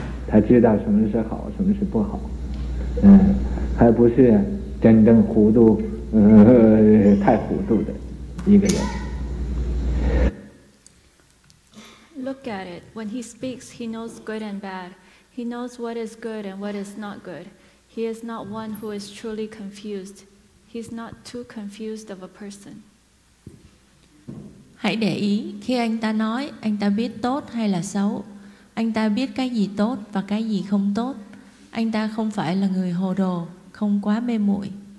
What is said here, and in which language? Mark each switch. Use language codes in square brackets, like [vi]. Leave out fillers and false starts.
[zh] 他知道什么是好，什么是不好，嗯，还不是真正糊涂，太糊涂的一个人。 [en] Look at it. When he speaks, he knows good and bad. He knows what is good and what is not good. He is not one who is truly confused. He's not too confused of a person. [vi] Hãy để ý khi anh ta nói, anh ta biết tốt hay là xấu. Anh ta biết cái gì tốt và cái gì không tốt. Anh ta không phải là người hồ đồ, không quá mê muội.